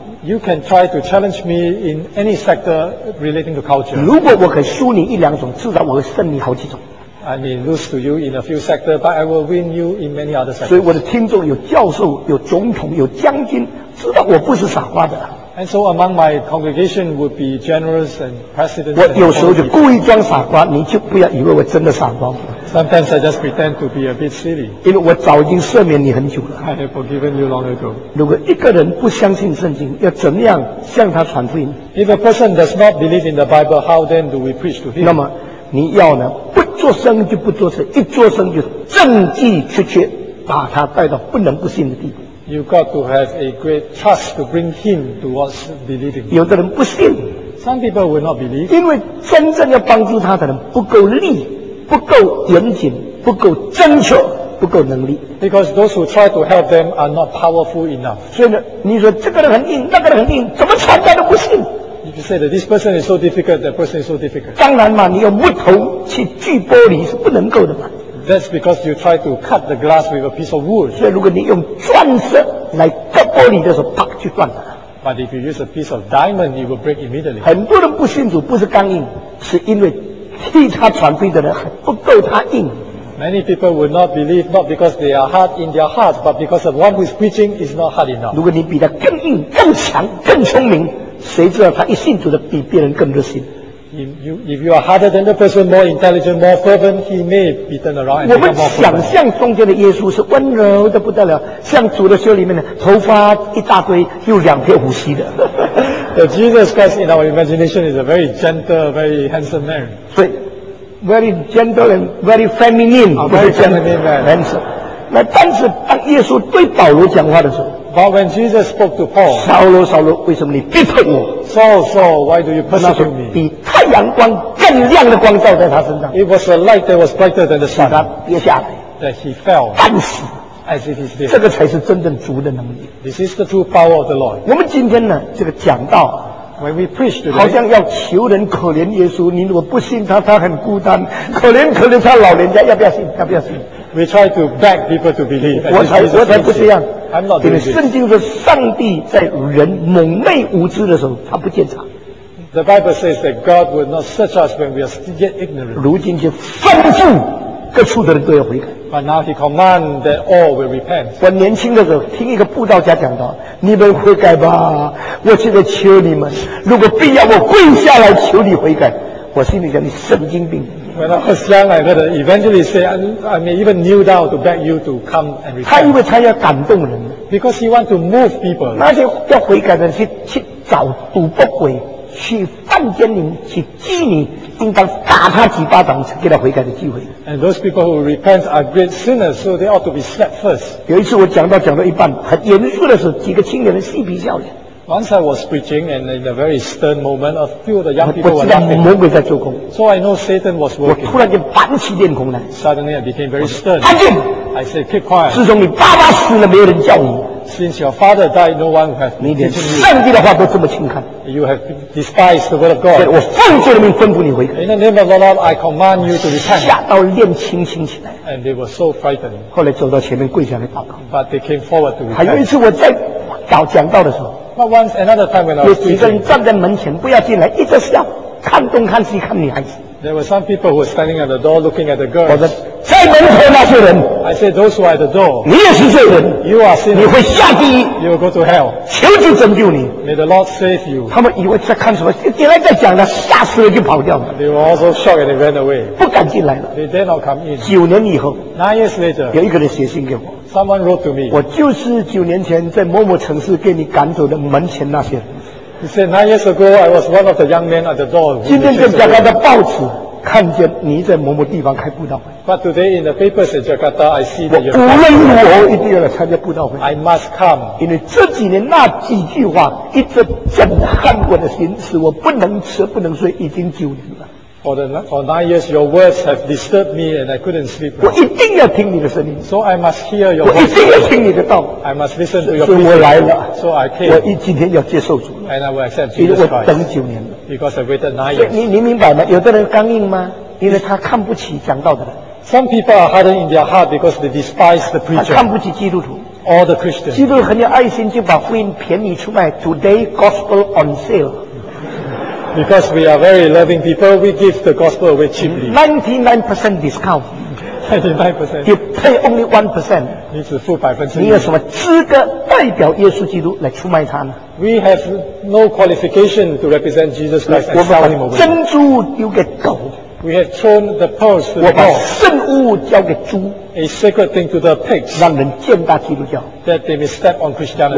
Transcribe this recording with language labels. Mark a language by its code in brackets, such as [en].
[en] You can try to challenge me in any sector relating to culture. [zh] 如果我可输你一两种，至少我会胜你好几种。 [en] I may lose to you in a few sectors, but I will win you in many other sectors. [zh] 所以我的听众有教授、有总统、有将军，知道我不是傻瓜的。 [en] And so among my congregation would be generals and presidents. [zh] 我有时候就故意装傻瓜，你就不要以为我真的傻瓜。 [en] Sometimes I just pretend to be a bit silly. [zh] 因为我早已经赦免你很久了。 [en] I have forgiven you long ago. [zh] 如果一个人不相信圣经，要怎样向他传福音 [en] ？If a person does not believe in the Bible, how then do we preach to him? [zh] 那么你要呢？不做声就不做声，一做声就证据确切，把他带到不能不信的地步。 [en] You've got to have a great trust to bring him towards believing. [zh] 有的人不信。 [en] Some people will not believe. [zh] 因为真正要帮助他的人不够力，不够严谨，不够正确，不够能力。 [en] Because those who try to help them are not powerful enough. [zh] 所以呢，你说这个人很硬，那个人很硬，怎么传他都不信。 [en] You say that this person is so difficult, that person is so difficult. [zh] 当然嘛，你用木头去锯玻璃是不能够的嘛。 [en] That's because you try to cut the glass with a piece of wood. [zh] 所以如果你用钻石来割玻璃的时候，啪就断了。 [en] But if you use a piece of diamond, it will break immediately. [zh] 很多人不信主不是刚硬，是因为替他传福音的人还不够他硬。 [en] Many people will not believe not because they are hard in their hearts, but because of one who is preaching is not hard enough. [zh] 如果你比他更硬、更强、更聪明，谁知道他一信主的比别人更热心？ [en] If you are harder than the person, more intelligent, more fervent, he may be turned around and become more fervent. [zh] 我们想象中间的耶稣是温柔的不得了，像主的学里面的头发一大堆，又两撇胡须的。 [en] The Jesus Christ in our imagination is a very gentle, very handsome man. Very gentle and very feminine. A very feminine man. Handsome. [zh] 那但是当耶稣对保罗讲话的时候。 [en] But when Jesus spoke to Paul, [zh] Saul, Saul, 为什么你逼迫我？ [en] Saul, Saul, why do you persecute me? [zh] 比太阳光更亮的光照在他身上。 [en] It was a light that was brighter than the sun. [zh] 他跌下来。 [en] That he fell. [zh] 半死。 [en] As if he's dead. [zh] 这个才是真正主的能力。 [en] This is the true power of the Lord. [zh] 我们今天呢，这个讲道。 [en] When we preach today, [zh] 好像要求人可怜耶稣，你如果不信他，他很孤单，可怜可怜他老人家，要不要信？要不要信 [en] ？We try to beg people to believe. [zh] 我才不这样。 [en] I'm not doing this. [zh] 因为圣经说，上帝在人蒙昧无知的时候，他不检查。 [en] The Bible says that God will not search us when we are still yet ignorant. [zh] 如今就吩咐各处的人都要悔改。 [en] But now he commands that all will repent. [zh] 我年轻的时候听一个布道家讲道，你们悔改吧，我现在求你们，如果必要我跪下来求你悔改。我心里讲你神经病。 [en] When I was young, I heard an evangelist say, I may even kneel down to beg you to come and repent. [zh] 他以为他要感动人。 [en] Because he wants to move people. [zh] 那些要悔改的人 去找赌博鬼，去犯奸淫，去妓女，应当打他几巴掌才给他悔改的机会。 [en] And those people who repent are great sinners, so they ought to be slapped first. [zh] 有一次我讲到一半，很严肃的时候，几个青年人嬉皮笑脸。 [en] Once I was preaching, and in a very stern moment, a few of the young people were laughing. [zh] 魔鬼在做工。 [en] So I know Satan was working. [zh] 我突然间板起脸孔来。 [en] Suddenly I became very stern. [zh] 安静。 [en] I said, keep quiet. [zh] 自从你爸爸死了，没有人叫你。 [en] Since your father died, no one has been teaching you. [zh] 你连上帝的话都这么轻看。 [en] You have despised the word of God. [zh] 我奉主的名吩咐你悔改。 [en] In the name of the Lord, I command you to repent. [zh] 吓到脸青青起来。 [en] And they were so frightened. [zh] 后来走到前面跪下来祷告。 [en] But they came forward to repent. [zh] 还有一次我在讲道的时候。 [en] But once another time when I was preaching, [zh] 有几个人站在门前不要进来，一直笑，看东看西看女孩子。 [en] There were some people who were standing at the door looking at the girls. [zh] 我说，在门口那些人。 [en] I said those who are at the door. [zh] 你也是罪人。 [en] You are sinner. [zh] 你会下地狱。 [en] You will go to hell. [zh] 求主拯救你。 [en] May the Lord save you. [zh] 他们以为在看什么，原来在讲呢，吓死了就跑掉了。 [en] They were also shocked and they ran away. [zh] 不敢进来了。 [en] They dare not come in. [zh] 九年以后。 [en] 9 years later. [zh] 有一个人写信给我。 [en] Someone wrote to me. [zh] 我就是九年前在某某城市给你赶走的门前那些人。 [en] He said, 9 years ago, I was one of the young men at the door. [zh] 今天在加拉的报纸看见你在某某地方开布道会。 [en] But today in the papers in Jakarta, I see that you're coming. [zh] 我无论如何一定要来参加布道会。 [en] I must come. [zh] 因为这几年那几句话一直震撼我的心，使我不能吃不能睡，已经九年了。 [en] For 9 years, your words have disturbed me, and I couldn't sleep. [zh] 我一定要听你的声音。 [en] So I must hear your. [zh] 我一定要听你的道。 [en] I must listen to your. [zh] 所以我来了。 [en] So I came. [zh] 我今天要接受主了。 [en] And I will accept Jesus Christ. [zh] 因为我等九年了。 [en] Because I waited 9 years. [zh] 你明白吗？有的人刚硬吗？因为他看不起讲道的人。 [en] Some people are hardened in their heart because they despise the preacher. [zh] 看不起基督徒。 [en] All the Christians. [zh] 基督徒很有爱心，就把福音便宜出卖。 [en] Today, gospel on sale. Because we are very loving people, we give the gospel away cheaply. 99% discount. 39%， [zh] 你 [en] pay only 1%， [zh] 你只付百分之一，你有什么资格代表耶稣基督来出卖他呢？ [en] We have no qualification to represent Jesus Christ. [zh] 我把珍珠丢给狗。 [en] We have thrown the pearls to the dogs. [zh] 我把圣物交给猪。 [en] A sacred thing to the pigs. [zh] 让人践踏基督教。 [en] That they may step on Christianity.